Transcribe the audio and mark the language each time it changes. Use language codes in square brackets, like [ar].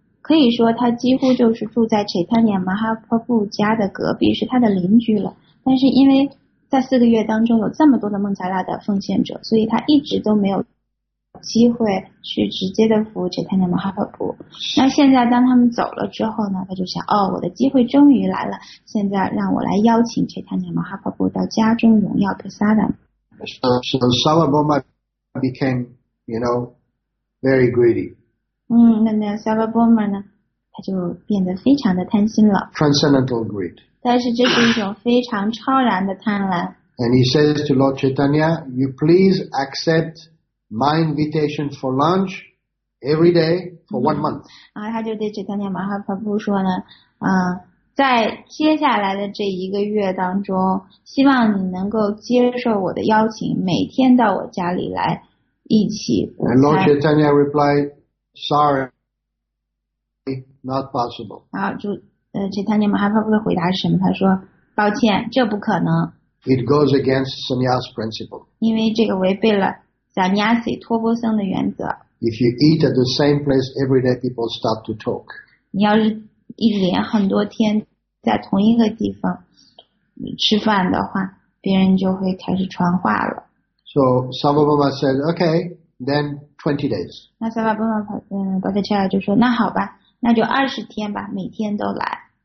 [zh] 可以说他几乎就是住在 Chaitanya Mahaprabhu 家的隔壁是他的邻居了但是因为在四个月当中有这么多的孟加拉的奉献者所以他一直都没有机会去直接的服务 Chaitanya Mahaprabhu 那现在当他们走了之后呢他就想哦，我的机会终于来了现在让我来邀请 Chaitanya Mahaprabhu 到家中荣耀 Prasadam [en] So Sabbabhava became you know very greedy [zh] 那 Sabbabhava 呢他就变得非常的贪心了 [en] Transcendental greed [zh] 但是这是一种非常超然的贪婪 [en] And he says to Lord Chaitanya You please accept my invitation for lunch every day for 1 month [zh] 他就对 Chaitanya Mahaprabhu 说呢在接下来的这一个月当中希望你能够接受我的邀请每天到我家里来一起午餐 [en] And Lord Chaitanya repliedSorry, not possible. [zh] Chaitanya Mahaprabhu 的回答是什么？他说：“抱歉，这不可能。” [en] It goes against sannyas principle. [zh] 因为这个违背了 sannyasi 脱钵僧的原则。 [en] If you eat at the same place every day, people start to talk. [zh] 你要是一连很多天在同一个地方吃饭的话，别人就会开始传话了。 [en] So Sabbabhava said, "Okay." Then 20 days. [zh] 那萨瓦布玛巴塔恰拉就说那好吧那就20天吧每天都来。